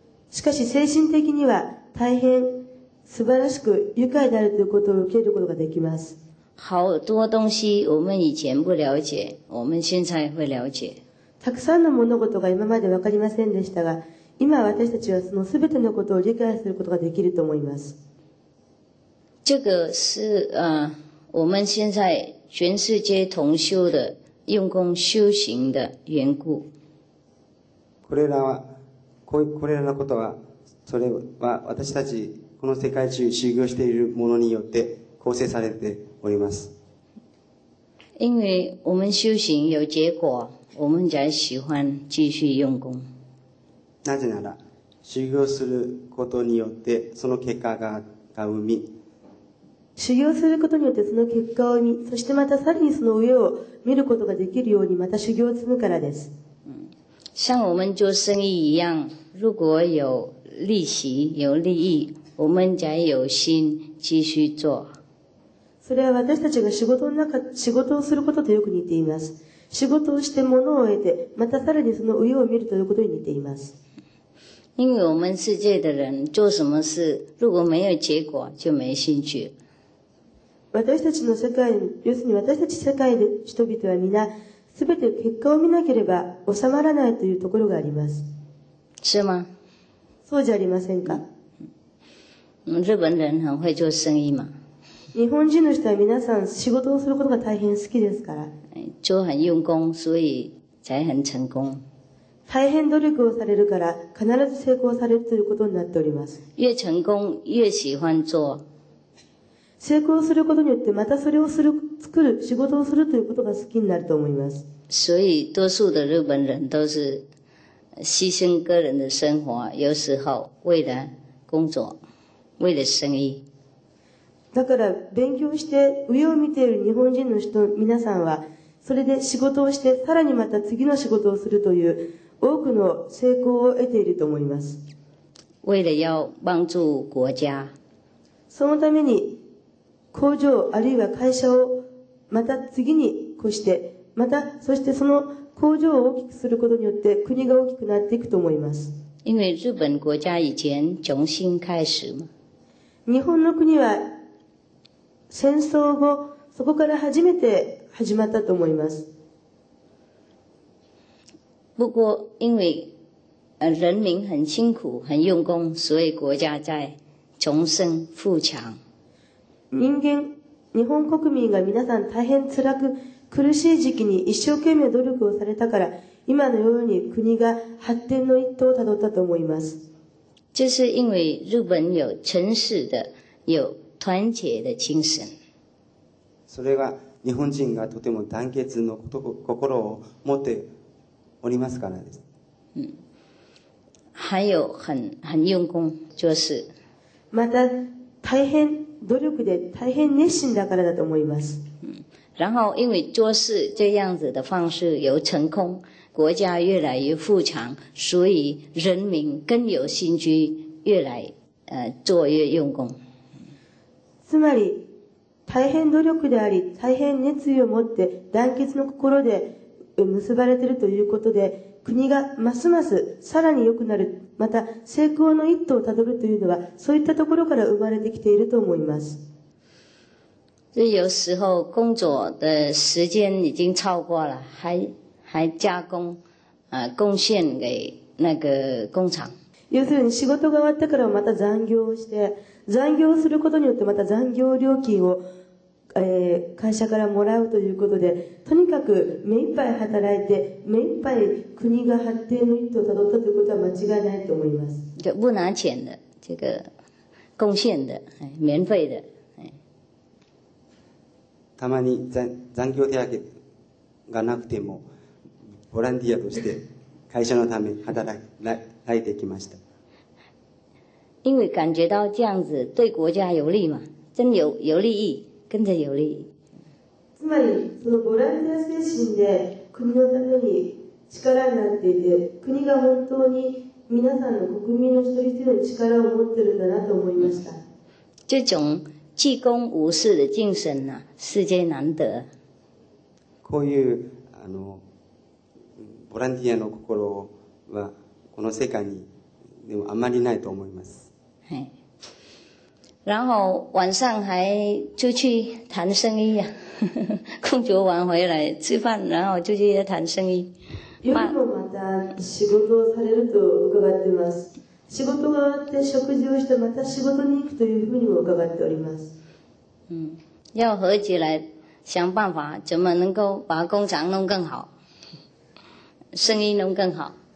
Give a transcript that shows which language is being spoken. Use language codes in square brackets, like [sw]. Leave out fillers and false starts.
[ja] しかし精神的には大変素晴らしく愉快であるということを受けることができます。 [zh] 好多东西我们以前不了解，我们现在会了解。 [ja] たくさんの物事が今まで分かりませんでしたが、今私たちはそのすべてのことを理解することができると思います。 [zh] 这个是我们现在全世界同修的用功修行的缘故。 [ja] これらのことは、それは私たちこの世界中修行しているものによって構成されております。 [zh] 因为我们修行有结果。我们才喜欢继续用功。 [ja] なぜなら、修行することによってその結果が生み。修行することによってその結果を生み、そしてまたさらにその上を見ることができるようにまた修行を積むからです。 [zh] 像我们做生意一样，如果有利息、有利益，我们才有心继续做。 [ja] それは私たちが仕事をすることとよく似ています。仕事をして物を得て、またさらにその上を見るということに似ています。 [zh] 因为我们世界的人做什么事，如果没有结果就没兴趣。 [ja] 私たちの世界、要するに私たち世界で人々は皆、すべて結果を見なければ収まらないというところがあります。 [zh] 是吗？ [ja] そうじゃありませんか？ [zh] 日本人很会做生意嘛。 [ja] 日本人の人は皆さん仕事をすることが大変好きですから。 [zh] 做很用功，所以才很成功。 [ja] 大変努力をされるから必ず成功されるということになっております。 [zh] 越成功越喜欢做。 [ja] 成功することによってまたそれを作る仕事をするということが好きになると思います。 [zh] 所以多数的日本人都是牺牲个人的生活，有时候为了工作，为了生意。 [ja] だから勉強して上を見ている日本人の人皆さんは。それで仕事をして、さらにまた次の仕事をするという多くの成功を得ていると思います。 [zh] 为了要帮助国家。 [ja] そのために工場あるいは会社をまた次に越して、またそしてその工場を大きくすることによって国が大きくなっていくと思います。 [zh] 因为日本国家以前重新开始嘛。 [ja] 日本の国は戦争後、そこから初めて始まったと思います。 [zh] 不过因为人民很辛苦、很用功、所以国家在重生富强。 [ja] 日本国民が皆さん大変辛く苦しい時期に一生懸命努力をされたから、今のように国が発展の一途をたどったと思います。 [zh] 这是因为日本有诚实的、有团结的精神。 [ja] それは日本人がとても団結の心を持っておりますからです。 [zh] 还有很用功做事。 [ja] また大変努力で大変熱心だからだと思います。 [zh] 然后因为做事这样子的方式有成功，国家越来越富强，所以人民更有心机，越来做越用功。 [ja] つまり。大変努力であり、大変熱意を持って団結の心で結ばれているということで、国がますますさらに良くなる、また成功の一途をたどるというのは、そういったところから生まれてきていると思います。 [zh] 有时候工作的时间已经超过了，还加工，贡献给那个工厂。 [ja] 要するに仕事が終わってからまた残業をして、残業することによってまた残業料金を、会社からもらうということで、とにかく目いっぱい働いて、目いっぱい国が発展の一途をたどったということは間違いないと思います。 [zh] 就不拿钱的、这个、贡献的、免费的。 [ja] たまに残業手当がなくても、ボランティアとして会社のため働いてきました。 [zh] 因为感觉到这样子对国家有利嘛，真有利益，跟着有利益。 [ja] つまりそのボランティア精神で国のために力になっていて、国が本当に皆さんの国民の一人一人の力を持ってるんだなと思いました。 [zh] 这种济公无私的精神呢、啊，世界难得。 [ja] こういうボランティアの心はこの世界にでもあまりないと思います。 [zh] 然后晚上还出去谈生意啊，工作完回来吃饭，然后就去谈生意。 [ja] 夜もまた仕事をされると伺ってます。仕事終わって食事をしてまた仕事に行くというふうにも伺っております。 [zh] 嗯，要合起来想办法，怎么能够把工厂弄更好，生意弄更好。